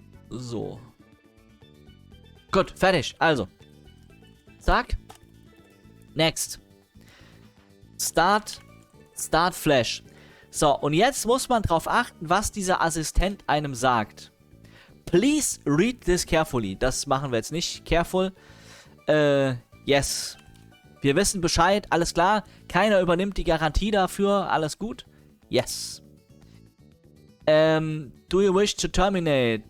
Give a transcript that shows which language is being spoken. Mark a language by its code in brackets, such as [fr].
[de] So. Gut, fertig. Also. Zack. Next. [en] Start Flash. [de] So, und jetzt muss man drauf achten, was dieser Assistent einem sagt. [en] Please read this carefully. [de] Das machen wir jetzt nicht. [en] Careful. Yes. [de] Wir wissen Bescheid. Alles klar. Keiner übernimmt die Garantie dafür. Alles gut. Yes. [en] Do you wish to terminate?